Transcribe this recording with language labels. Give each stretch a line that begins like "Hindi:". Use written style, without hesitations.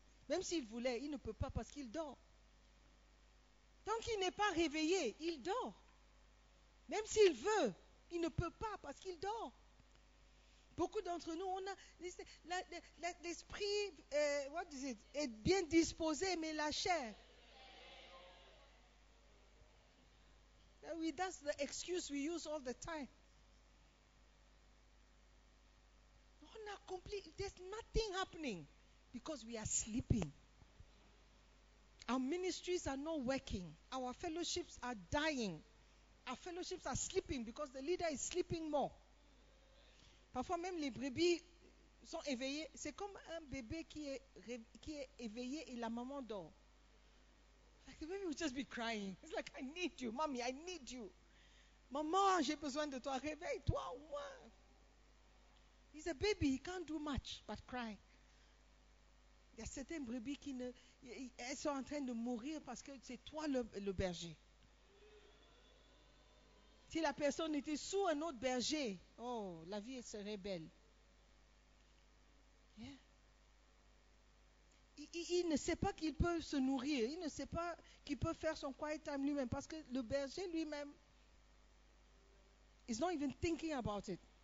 French: Même s'il voulait, il ne peut pas parce qu'il dort. Tant qu'il n'est pas réveillé, il dort. Même s'il veut, il ne peut pas parce qu'il dort. Beaucoup d'entre nous, on a l'esprit est bien disposé, mais la chair.
English: That's the excuse we use all the time.
French: On a compris,
English: there's nothing happening because we are sleeping. Our ministries are not working. Our fellowships are dying. Our fellowships are sleeping because the leader is sleeping more.
French: Parfois même les brebis sont éveillées. C'est comme un bébé qui est éveillé et la maman dort.
English: Like the baby will just be crying. It's like, I need you, mommy, I need you.
French: Maman, j'ai besoin de toi, réveille-toi au moins.
English: He's a baby, he can't do much but cry.
French: Il y a certaines brebis qui ne, elles sont en train de mourir parce que c'est toi le berger. Si la personne était sous un autre berger, oh, la vie serait belle. Yeah. Il ne sait pas qu'il peut se nourrir, il ne sait pas qu'il peut faire son quiet time lui-même parce que le berger lui-même,
English: he's not even thinking about it.